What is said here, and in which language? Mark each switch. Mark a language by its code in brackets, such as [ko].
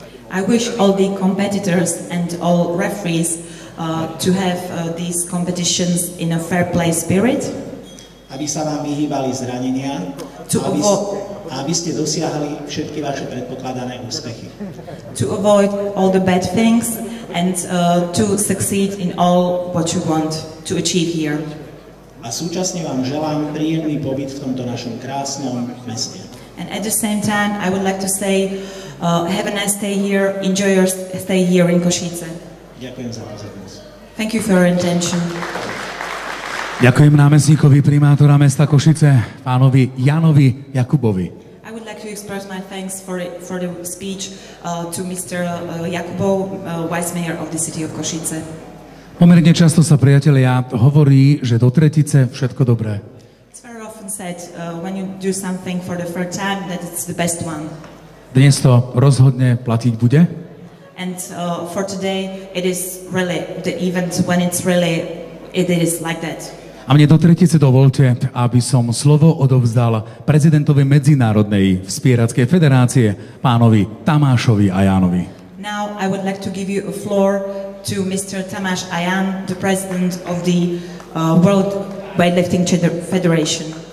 [en] I wish all the competitors and all referees to have these competitions in a fair play spirit. [sk] Aby sa vám vyhýbali zranenia. A aby ste dosiahli všetky vaše predpokladané úspechy. [en] To avoid all the bad things and to succeed in all what you want to achieve here. [sk] A súčasne vám želám príjemný pobyt v tomto našom krásnom meste. [en] And at the same time I would like to say have a nice stay here, enjoy your stay here in Košice. [sk] Ďakujem za pozornosť. [en] Thank you for your attention. [sk] Ďakujem námestníkovi primátora mesta Košice, pánovi Janovi Jakubovi. [en] I would like to express my thanks for the speech to Mr. Jakubo, vice mayor of the city of Košice. [sk] Pomerne často sa, priatelia, hovorí, že do tretice všetko dobré. [en] It's very often said when you do something for the third time that it's the best one. [sk] Dnes to rozhodne platiť bude. [en] And for today it is really the event when it's really it is like that. [sk] A mne do tretice dovolte, aby som slovo odovzdal prezidentovi Medzinárodnej vzpierackej federácie, pánovi Tamášovi Ajánovi. [en] Now I would like to give you a floor to Mr. Tamáš Aján, the president of the World Weightlifting Federation.